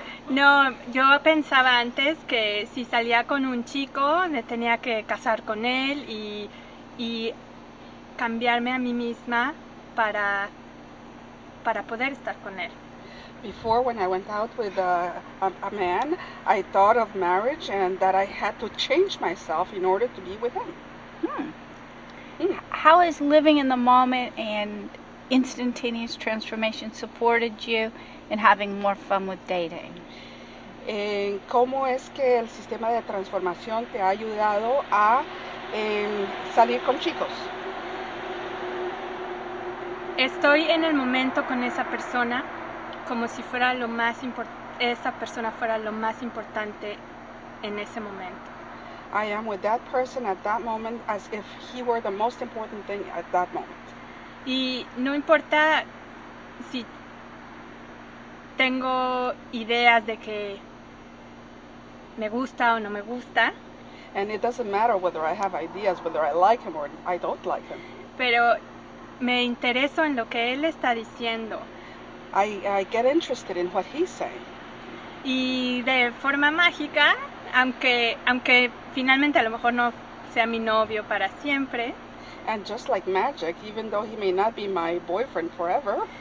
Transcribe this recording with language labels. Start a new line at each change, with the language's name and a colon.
Spanish: No, yo pensaba antes que si salía con un chico, me tenía que casar con él y cambiarme a mí misma para poder estar con él.
English: Before, when I went out with a man, I thought of marriage and that I had to change myself in order to be with him. How has living in the moment and instantaneous transformation supported you in having more fun with dating?
Spanish: ¿En cómo es que el sistema de transformación te ha ayudado a salir con chicos? Estoy en el momento con esa persona como si fuera lo más esa persona fuera lo más importante en ese momento.
English: I am with that person at that moment as if he were the most important thing at that moment.
Spanish: Y no importa si tengo ideas de que me gusta o no me gusta.
English: And it doesn't matter whether I have ideas, whether I like him or I don't like him.
Spanish: Pero me intereso en lo que él está diciendo.
English: I get interested in what he's saying.
Spanish: Y de forma mágica, aunque finalmente a lo mejor no sea mi novio para siempre.
English: And just like magic, even though he may not be my boyfriend forever.